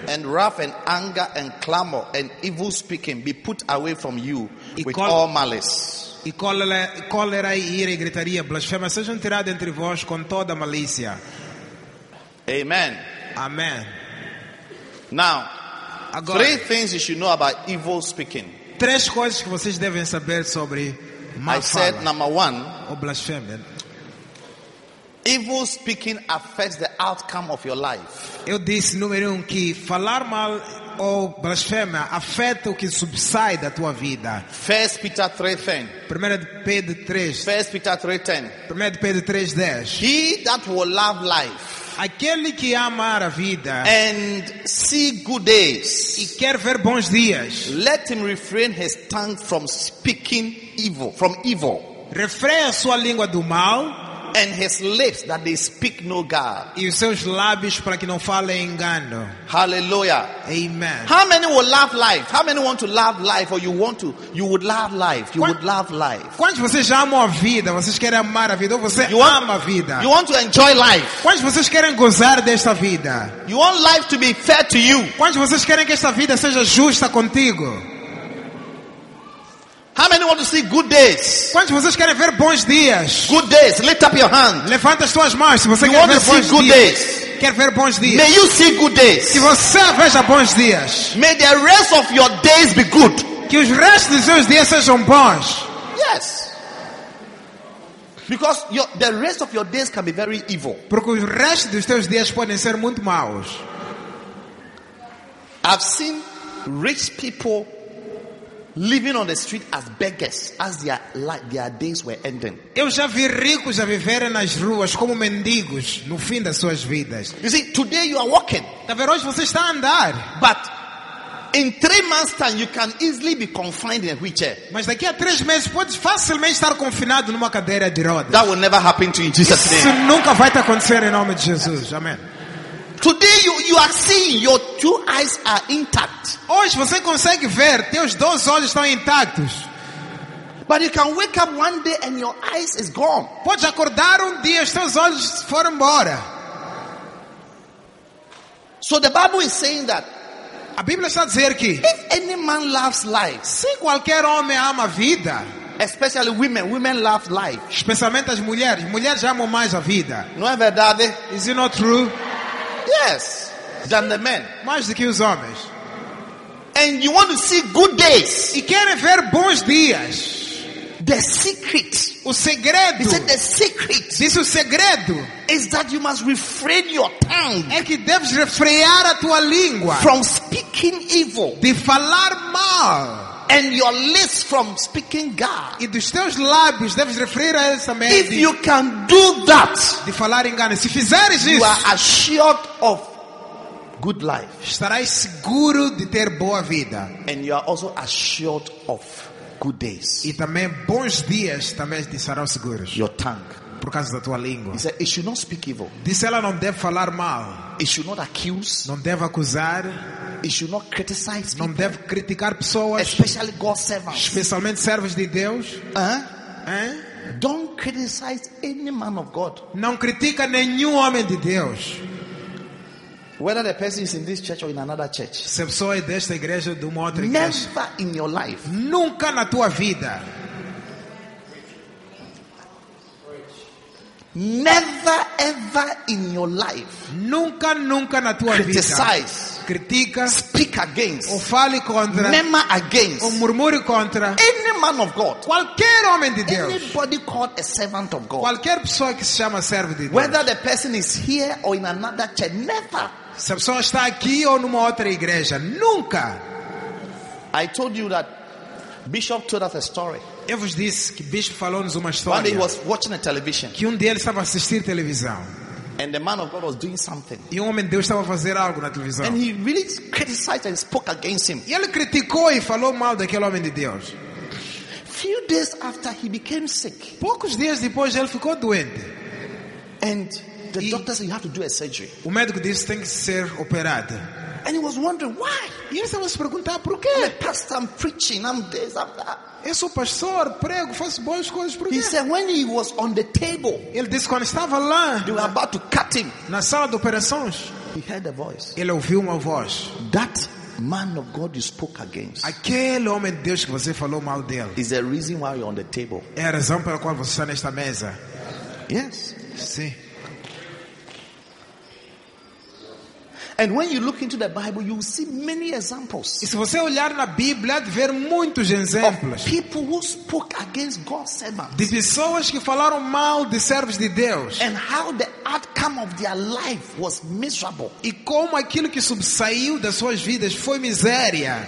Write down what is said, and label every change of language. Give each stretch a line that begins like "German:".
English: and wrath and anger and clamor and evil speaking be put away from you with all malice.
Portuguese: E cólera, ira e gritaria, blasfêmia sejam tiradas entre vós com toda malícia.
English: Amen. Amen. Now,
Portuguese: agora,
English: three things you should know about evil speaking.
Portuguese: Três coisas que vocês devem saber sobre má fala.
English: I said number one,
Portuguese: o blasfêmia.
English: Evil speaking affects the outcome of your life.
Portuguese: Eu disse número um que falar mal ou blasfêmia afeta o que subsai da tua vida.
English: 1 Peter 3:10.
Portuguese: 1 Pedro 3:10.
English: He that will love life,
Portuguese: aquele que ama a vida,
English: and see good days,
Portuguese: e quer ver bons dias,
English: let him refrain his tongue from speaking evil,
Portuguese: refreia sua língua do mal,
English: and his lips that they speak no guile,
Portuguese: e os seus lábios para que não falem engano.
English: Hallelujah. Amen. How many will love life? How many want to love life, or you want to, you would love life, you would love life?
Portuguese: Quando vocês amam a vida, vocês querem amar a vida, ou você ama a vida?
English: You want to enjoy life.
Portuguese: Quando vocês querem gozar desta vida?
English: You want life to be fair to you.
Portuguese: Quando vocês querem que esta vida seja justa contigo?
English: How many want to see good days?
Portuguese: Quantos vocês querem ver bons dias?
English: Good days. Lift up your hand.
Portuguese: Levanta as tuas mãos se você
English: you
Portuguese: quer
English: want
Portuguese: ver
English: to see
Portuguese: bons
English: good
Portuguese: dias.
English: Days.
Portuguese: Quer ver bons dias?
English: May you see good days.
Portuguese: Que você veja bons dias.
English: May the rest of your days be good.
Portuguese: Que os restos dos seus dias sejam bons.
English: Yes. Because the rest of your days can be very evil.
Portuguese: Porque os restos dos seus dias podem ser muito maus.
English: I've seen rich people living on the street as beggars as their days were ending.
Portuguese: Eu já vi ricos a viverem nas ruas como mendigos no fim das suas vidas.
English: You see, today you are walking.
Portuguese: Tá vendo, hoje você está a andar.
English: But in 3 months time you can easily be confined in a wheelchair.
Portuguese: Mas daqui a 3 meses pode facilmente estar confinado numa cadeira de rodas.
English: That will never happen to you in Jesus' name.
Portuguese: Isso nunca vai te acontecer em nome de Jesus. Amém.
English: Today you are seeing your two eyes are intact.
Portuguese: Hoje você consegue ver, teus dois olhos estão intactos.
English: But you can wake up one day and your eyes is gone.
Portuguese: Pode acordar dia e teus olhos foram embora.
English: So the Bible is saying that.
Portuguese: A Bíblia está a dizer que
English: if any man loves life,
Portuguese: se qualquer homem ama a vida,
English: especially women love life.
Portuguese: Especialmente as mulheres amam mais a vida. Não é verdade?
English: Is it not true? Yes, than the men.
Portuguese: Mais do que os homens.
English: And you want to see good days.
Portuguese: E querem ver bons dias.
English: The secret.
Portuguese: O segredo.
English: He said the secret.
Portuguese: Diz o segredo.
English: Is that you must refrain your tongue.
Portuguese: É que deves refrear a tua língua.
English: From speaking evil.
Portuguese: De falar mal.
English: And your lips from speaking God.
Portuguese: E dos teus lábios deves refrear a essa mente.
English: If you can do that,
Portuguese: de falar engano. Se fizeres isso,
English: you are assured of good life.
Portuguese: Estarás seguro de ter boa vida.
English: And you are also assured of good days.
Portuguese: E também bons dias também te serão seguros.
English: Your tongue.
Portuguese: Por causa da tua língua.
English: He said, it should not speak evil.
Portuguese: Disse ela não deve falar mal.
English: It should not accuse.
Portuguese: Não deve acusar.
English: It should not criticize.
Portuguese: Não deve criticar pessoas.
English: Especially God's servants.
Portuguese: Especialmente servos de Deus.
English: Don't criticize any man of God.
Portuguese: Não critica nenhum homem de Deus.
English: Whether the person is in this church or in another church.
Portuguese: Se a pessoa é desta igreja ou de uma outra igreja.
English: Never in your life.
Portuguese: Nunca na tua vida.
English: Never ever in your life.
Portuguese: Nunca, nunca na tua
English: criticize,
Portuguese: vida. Critica.
English: Speak against.
Portuguese: Ou fale contra.
English: Murmur against.
Portuguese: Ou murmure contra.
English: Any man of God.
Portuguese: Qualquer homem de Deus.
English: Anybody called a servant of God.
Portuguese: Qualquer pessoa que se chama servo de Deus.
English: Whether the person is here or in another church, never.
Portuguese: Se a pessoa está aqui ou numa outra igreja, nunca.
English: I told you that Bishop told us a story.
Portuguese: Eu vos disse que Bishop falou-nos uma história.
English: One day he was watching a television.
Portuguese: Que dia ele estava assistindo televisão.
English: And the man of God was doing something.
Portuguese: E homem de Deus estava a fazer algo na televisão.
English: And he really criticized and spoke against him.
Portuguese: E ele criticou e falou mal daquele homem de Deus.
English: Few days after he became sick.
Portuguese: Poucos dias depois ele ficou doente.
English: And the doctor said you have to do a surgery.
Portuguese: O médico disse tem que ser operado.
English: And he was wondering why.
Portuguese: E ele estava a se perguntar por quê.
English: I'm a pastor, I'm preaching, I'm this, I'm that.
Portuguese: Eu sou pastor, prego, faço boas coisas por ele.
English: He said when he was on the table.
Portuguese: Ele disse quando estava lá.
English: They were about to cut him.
Portuguese: Na sala de operações.
English: He heard a voice.
Portuguese: Ele ouviu uma voz.
English: That man of God you spoke against.
Portuguese: Aquele homem de Deus que você falou mal dele.
English: Is the reason why you're on the table.
Portuguese: É a razão pela qual você está nesta mesa.
English: Yes.
Portuguese: Sim.
English: And when you look into the Bible, you will see many examples.
Portuguese: E se você olhar na Bíblia, ver muitos exemplos.
English: Of people who spoke against God's servants.
Portuguese: De pessoas que falaram mal de servos de Deus.
English: And how the outcome of their life was miserable.
Portuguese: E como aquilo que subsaiu das suas vidas foi miséria.